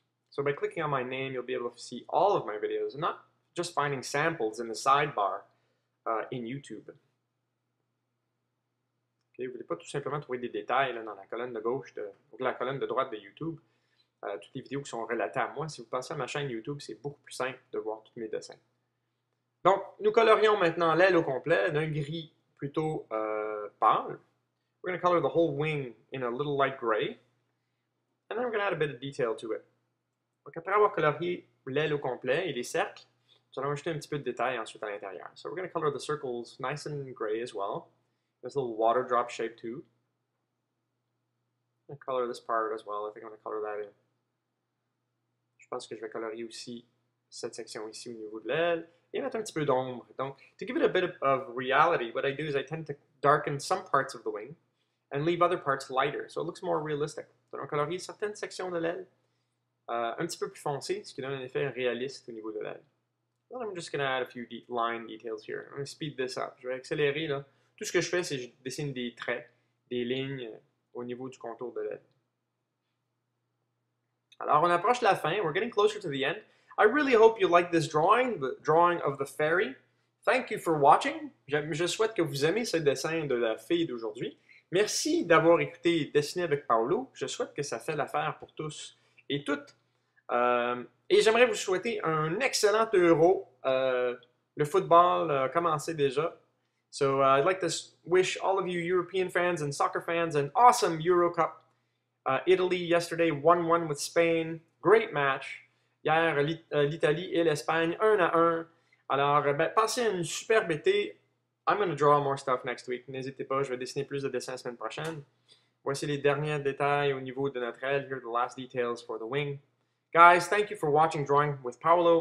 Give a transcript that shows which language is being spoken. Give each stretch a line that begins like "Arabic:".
English: So by clicking on my name, you'll be able to see all of my videos, and not just finding samples in the sidebar in YouTube.
French: Okay, vous ne voulez pas tout simplement trouver des détails là, dans la colonne de gauche ou la colonne de droite de YouTube. Toutes les vidéos qui sont relatées à moi. Si vous passez à ma chaîne YouTube, c'est beaucoup plus simple de voir tous mes dessins. Donc, nous colorions maintenant l'aile au complet d'un gris plutôt pâle.
English: We're going to color the whole wing in a little light gray. And then we're going to add a bit of detail to it.
French: Donc, après avoir colorié l'aile au complet et les cercles, nous allons ajouter un petit peu de détails ensuite à l'intérieur.
English: So, we're going to color the circles nice and gray as well. This little water drop shape too. I'm gonna color this part as well. I think I'm gonna color that in.
French: Je pense que je vais colorier aussi cette section ici au niveau de l'aile et mettre un petit peu d'ombre.
English: Donc, to give it a bit of reality, what I do is I tend to darken some parts of the wing and leave other parts lighter, so it looks more realistic.
French: Donc, on colorie certaines sections de l'aile un petit peu plus foncées, ce qui donne un effet réaliste au niveau de l'aile.
English: Then I'm just gonna add a few line details here. I'm gonna speed this up.
French: Je vais accélérer là. Tout ce que je fais, c'est que je dessine des traits, des lignes au niveau du contour de l'aile. Alors, on approche la fin.
English: We're getting closer to the end. I really hope you like this drawing, the drawing of the fairy. Thank you for watching.
French: Je souhaite que vous aimez ce dessin de la fille d'aujourd'hui. Merci d'avoir écouté Dessiner avec Paolo. Je souhaite que ça fait l'affaire pour tous et toutes. Et j'aimerais vous souhaiter un excellent Euro. Le football a commencé déjà.
English: So I'd like to wish all of you European fans and soccer fans an awesome Euro Cup. Italy yesterday 1-1 with Spain. Great match.
French: Hier, l'Italie et l'Espagne 1-1. Alors, ben, passez une superbe été.
English: I'm going to draw more stuff next week.
French: N'hésitez pas, je vais dessiner plus de dessins la semaine prochaine. Voici les derniers détails au niveau de notre aile.
English: Here are the last details for the wing. Guys, thank you for watching Drawing with Paolo.